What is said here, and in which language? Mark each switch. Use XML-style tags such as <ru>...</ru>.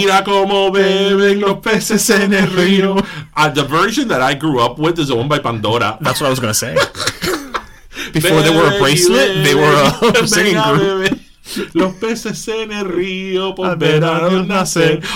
<es>Mira como beben los peces en el río.</es> <en>The version that I grew up with is the one by Pandora. That's what I was going to say. Before they were a bracelet, they were a singing group.</en> <es>Los peces en el río por ver a Dios nacer.</es>